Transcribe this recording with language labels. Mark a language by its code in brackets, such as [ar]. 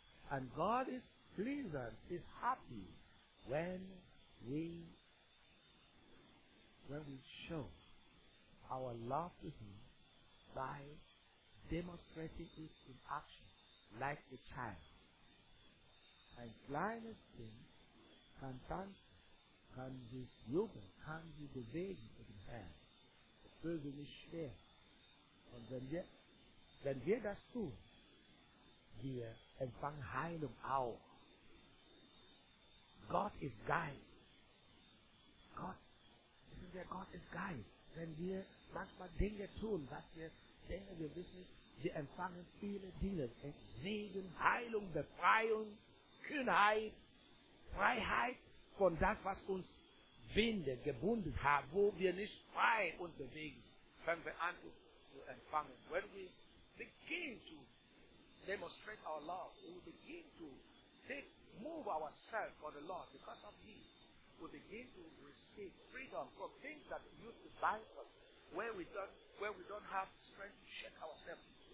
[en] And God is pleased, is happy when we show our love to Him by demonstrating it in action, like a child. And blindness thing can dance. Can be yoga, can be the baby in the hand. The person is there. And then, yeah, [de] Wenn wir das tun, wir empfangen Heilung auch. Gott ist Geist. Gott ist Geist. Wenn wir manchmal Dinge tun, was wir denken, wir wissen nicht, wir empfangen viele Dinge. Segen, Heilung, Befreiung, Kühnheit, Freiheit von das, was uns bindet, gebunden hat, wo wir nicht frei uns bewegen, fangen wir an zu empfangen. [en] When we begin to demonstrate our love, we will begin to take, move ourselves for the Lord because of Him. We begin to receive freedom from things that used to bind us, where we don't have strength to shake ourselves.